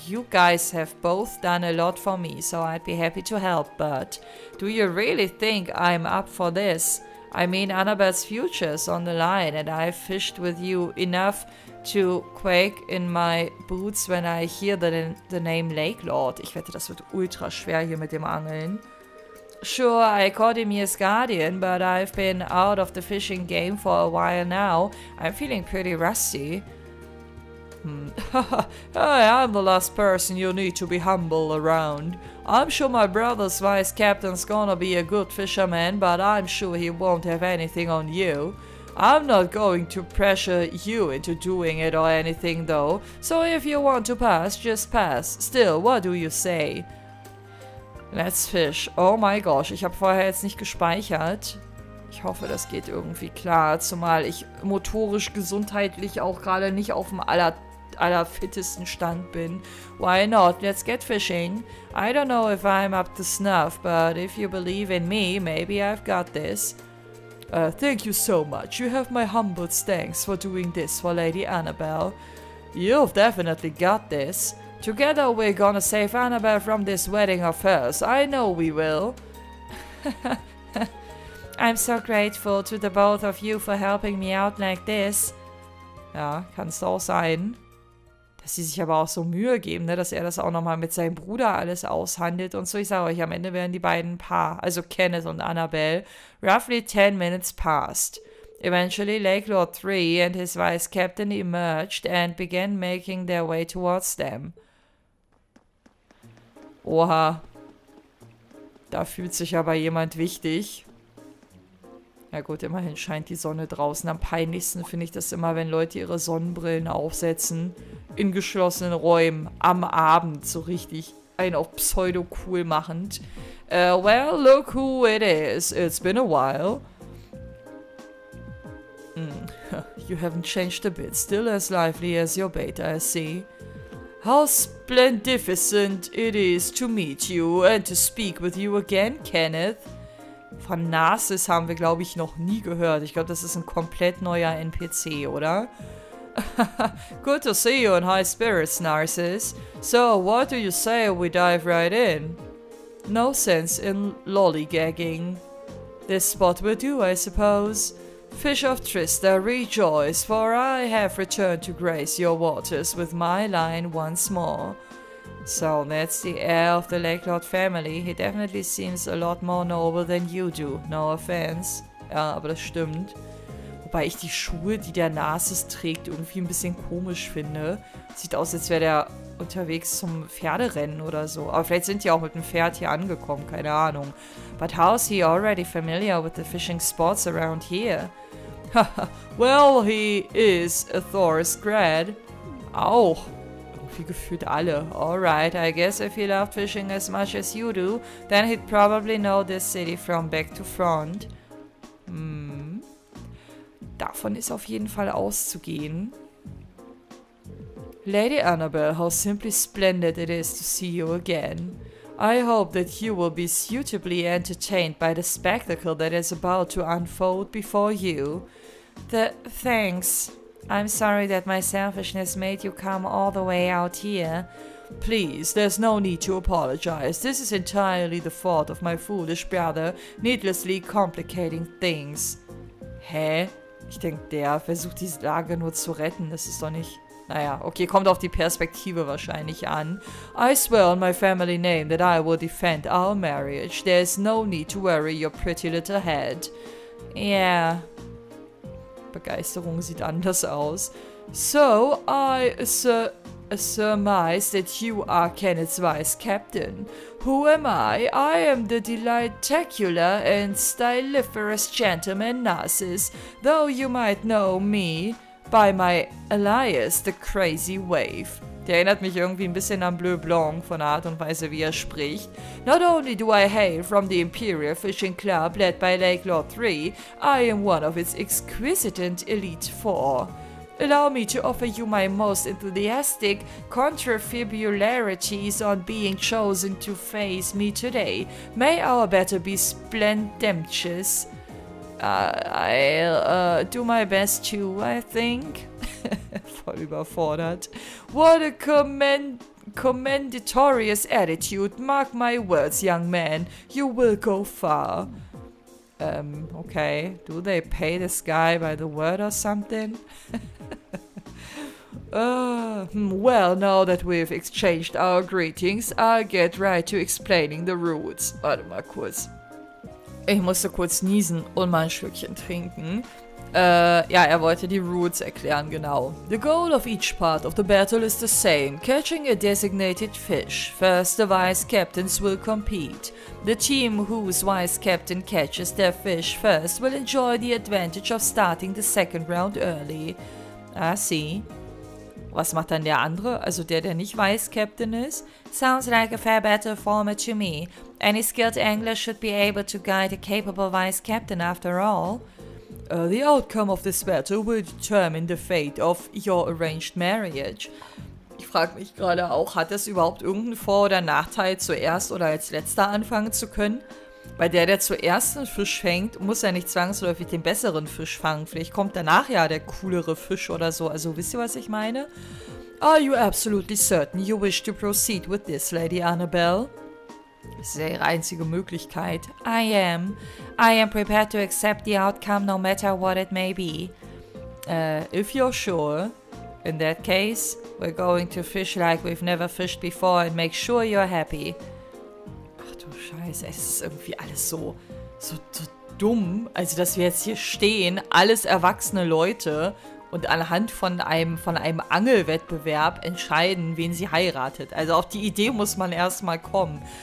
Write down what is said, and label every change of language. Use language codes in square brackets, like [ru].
[en] You guys have both done a lot for me, so I'd be happy to help, but do you really think I'm up for this? I mean, Annabelle's future's on the line, and I've fished with you enough to quake in my boots when I hear the name Lake Lord. [de] Ich wette, das wird ultra schwer hier mit dem Angeln. [en] Sure, I called him his guardian, but I've been out of the fishing game for a while now. I'm feeling pretty rusty. Hey, I'm the last person you need to be humble around. I'm sure my brother's vice captain's gonna be a good fisherman, but I'm sure he won't have anything on you. I'm not going to pressure you into doing it or anything, though. So if you want to pass, just pass. Still, what do you say? Let's fish. Oh my gosh, [de] ich habe vorher jetzt nicht gespeichert. Ich hoffe, das geht irgendwie klar, zumal ich motorisch, gesundheitlich auch gerade nicht auf dem allerfittesten Stand bin. [en] Why not? Let's get fishing. I don't know if I'm up to snuff, but if you believe in me, maybe I've got this. Thank you so much. You have my humble thanks for doing this for Lady Annabelle. You've definitely got this. Together we're gonna save Annabelle from this wedding of hers. I know we will. I'm so grateful to the both of you for helping me out like this. [de] Ja, kann's auch sein. Dass sie sich aber auch so Mühe geben, ne, dass er das auch nochmal mit seinem Bruder alles aushandelt und so. Ich sage euch, am Ende werden die beiden ein Paar, also Kenneth und Annabelle. [en] Roughly 10 minutes passed. Eventually, Lake Lord 3 and his vice captain emerged and began making their way towards them. [de] Oha. Da fühlt sich aber jemand wichtig. Ja gut, immerhin scheint die Sonne draußen. Am peinlichsten finde ich das immer, wenn Leute ihre Sonnenbrillen aufsetzen. In geschlossenen Räumen, am Abend, so richtig ein auf Pseudo-cool machend. [en] Well, look who it is. It's been a while. You haven't changed a bit. Still as lively as your beta, I see. How splendificent it is to meet you and to speak with you again, Kenneth. [de] Von Narcissus haben wir, glaube ich, noch nie gehört. Ich glaube, das ist ein komplett neuer NPC, oder? [en] Good to see you in high spirits, Narcissus. So, what do you say we dive right in? No sense in lollygagging. This spot will do, I suppose. Fish of Trista, rejoice, for I have returned to grace your waters with my line once more. So, that's the heir of the Lake Lord family. He definitely seems a lot more noble than you do. No offense. [de] Ja, aber das stimmt. Wobei ich die Schuhe, die der Narcissus trägt, irgendwie ein bisschen komisch finde. Sieht aus, als wäre der unterwegs zum Pferderennen oder so. Aber vielleicht sind die auch mit dem Pferd hier angekommen, keine Ahnung. [en] But how's he already familiar with the fishing spots around here? Well, he is a Thor's grad. [de] Auch. Wie gefühlt alle. [en] Alright, I guess if he loved fishing as much as you do, then he'd probably know this city from back to front. [de] Davon ist auf jeden Fall auszugehen. [en] Lady Annabelle, how simply splendid it is to see you again. I hope that you will be suitably entertained by the spectacle that is about to unfold before you. Thanks. I'm sorry that my selfishness made you come all the way out here. Please, there's no need to apologize. This is entirely the fault of my foolish brother, needlessly complicating things. [de] Hä? Ich denke, der versucht die Lage nur zu retten. Das ist doch nicht... Naja, okay, kommt auf die Perspektive wahrscheinlich an. [en] I swear on my family name that I will defend our marriage. There's no need to worry your pretty little head. Yeah. [de] Begeisterung sieht anders aus. [en] So, I surmise that you are Kenneth's vice captain. Who am I? I am the delightacular and styliferous gentleman Narcissus, though you might know me by my alias, the crazy wave. [de] Der erinnert mich irgendwie ein bisschen an Bleu Blanc von Art und Weise, wie er spricht. [en] Not only do I hail from the Imperial Fishing Club led by Lake Lord 3, I am one of its exquisite and elite four. Allow me to offer you my most enthusiastic contrafibularities on being chosen to face me today. May our battle be splendemptious. I'll do my best too, I think. [de] Voll überfordert. [en] What a commendatorious attitude. Mark my words, young man. You will go far. Okay. Do they pay this guy by the word or something? Well, now that we've exchanged our greetings, I'll get right to explaining the rules. [de] Warte mal kurz. Ich musste kurz niesen und mal ein Schlückchen trinken. Ja, er wollte die Routes erklären, genau. [en] The goal of each part of the battle is the same, catching a designated fish. First, the vice captains will compete. The team whose vice captain catches their fish first will enjoy the advantage of starting the second round early. Ah, see. [de] Was macht dann der andere, also der, der nicht vice captain ist? [en] Sounds like a fair battle format to me. Any skilled angler should be able to guide a capable vice captain after all. The outcome of this battle will determine the fate of your arranged marriage. [de] Ich frage mich gerade auch, hat das überhaupt irgendeinen Vor- oder Nachteil, zuerst oder als letzter anfangen zu können? Bei der zuerst einen Fisch fängt, muss er nicht zwangsläufig den besseren Fisch fangen. Vielleicht kommt danach ja der coolere Fisch oder so. Also wisst ihr, was ich meine? [en] Are you absolutely certain you wish to proceed with this, Lady Annabelle? [de] Das ist ihre einzige Möglichkeit. [en] I am. I am prepared to accept the outcome no matter what it may be. If you're sure, in that case, we're going to fish like we've never fished before and make sure you're happy. [de] Ach du Scheiße, es ist irgendwie alles so dumm. Also, dass wir jetzt hier stehen, alles erwachsene Leute, und anhand von einem Angelwettbewerb entscheiden, wen sie heiratet. Also auf die Idee muss man erstmal kommen.